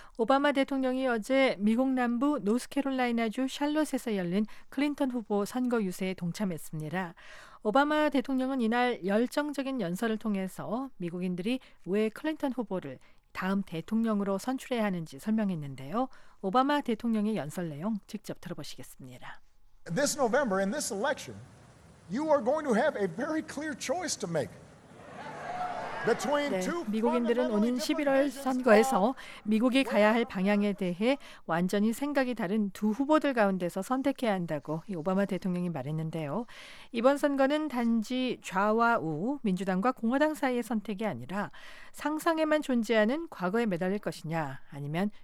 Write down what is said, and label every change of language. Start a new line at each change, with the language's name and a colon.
Korean: 오바마 대통령이 어제 미국 남부 노스캐롤라이나주 샬롯에서 열린 클린턴 후보 선거 유세에 동참했습니다. 오바마 대통령은 이날 열정적인 연설을 통해서 미국인들이 왜 클린턴 후보를 다음 대통령으로 선출해야 하는지 설명했는데요. 오바마 대통령의 연설 내용 직접 들어보시겠습니다.
English: This November in this election, you are going to have a very clear choice to make.
Korean: 네, 미국인들은 오는 11월 선거에서 미국이 가야 할 방향에 대해 완전히 생각이 다른 두 후보들 가운데서 선택해야 한다고 이 오바마 대통령이 말했는데요. 이번 선거는 단지 좌와 우, 민주당과 공화당 사이의 선택이 아니라 상상에만 존재하는 과거에 매달릴 것이냐 아니면